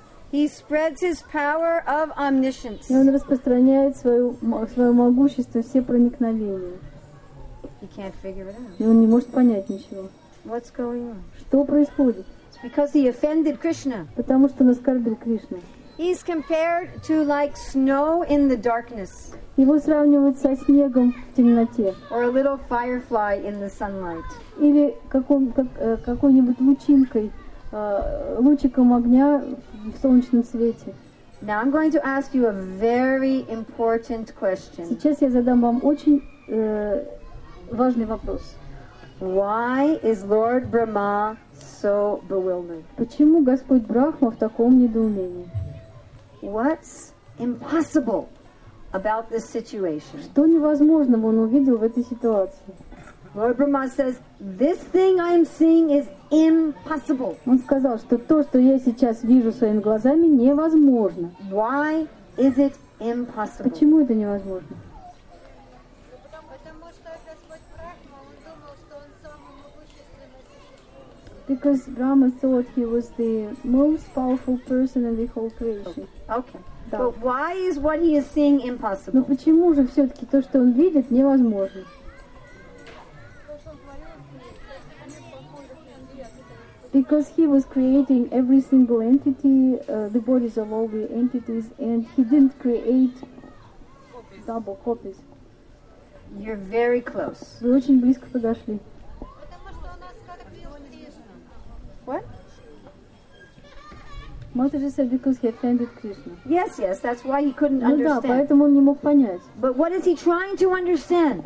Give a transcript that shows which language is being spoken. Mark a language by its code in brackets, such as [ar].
[en] He spreads his power of omniscience. [ru] И он распространяет свое могущество, все проникновения. [en] He can't figure it out. [ru] И он не может понять ничего. [en] What's going on? [ru] Что происходит? [en] It's because he offended Krishna. [ru] Потому что он оскорбил Кришну. [en] He's compared to like snow in the darkness. [ru] Его сравнивают со снегом в темноте. [en] Or a little firefly in the sunlight. [ru] Или какой-нибудь лучинкой. Лучиком огня в солнечном свете. [en] Now I'm going to ask you a very important question. [ru] Сейчас я задам вам очень важный вопрос. [en] Why is Lord Brahma so bewildered? [ru] Почему Господь Брахма в таком недоумении? [en] What's impossible about this situation? [ru] Что невозможного он увидел в этой ситуации? [en] Lord Brahma says, this thing I am seeing is impossible. [ru] Он сказал, что то, что я сейчас вижу своими глазами, невозможно. [en] Why is it impossible? [ru] Почему это невозможно? [en] Because Brahma thought he was the most powerful person in the whole creation. Okay. [ru] Да. [en] But why is what he is seeing impossible? [ru] Но почему же все-таки то, что он видит, невозможно? [en] Because he was creating every single entity, the bodies of all the entities, and he didn't create copies. Double copies. You're very close. [ru] Вы очень близко подошли. [en] What? Mataji said because he offended Krishna. Yes, yes, that's why he couldn't understand. [ru] Ну да, поэтому он не мог понять. [en] But what is he trying to understand?